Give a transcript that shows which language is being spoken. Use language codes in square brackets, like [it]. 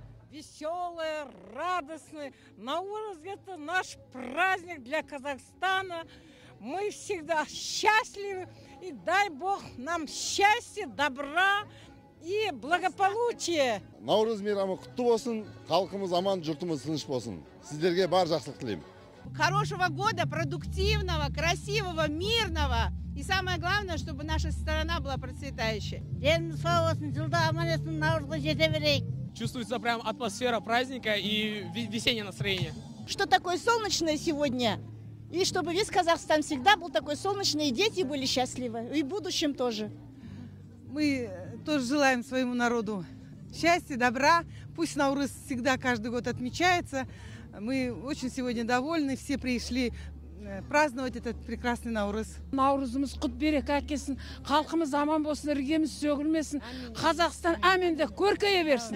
[ru] Веселые, радостные. Наурыз – это наш праздник для Казахстана. Мы всегда счастливы. И дай Бог нам счастья, добра и благополучия. [kk] Наурыз мейрамы құтты болсын. Халқымыз аман, жұртымыз тыныш болсын. Сіздерге бар жақсылық тілеймін. [ru] Хорошего года, продуктивного, красивого, мирного. И самое главное, чтобы наша страна была процветающей. [kk] Денің сау болсын, жылда аман есін, наурызға жете берейік. [ru] Чувствуется прям атмосфера праздника и весеннее настроение. Что такое солнечное сегодня? И чтобы весь Казахстан всегда был такой солнечный, и дети были счастливы, и в будущем тоже. Мы тоже желаем своему народу счастья, добра. Пусть Наурыз всегда каждый год отмечается. Мы очень сегодня довольны, все пришли праздновать этот прекрасный Наурыз. [kk] Наурызымыз құт берек әкесін, халқымыз аман болсын, іргеміз сөгілмесін. Қазақстан әмин де көркейе берсін.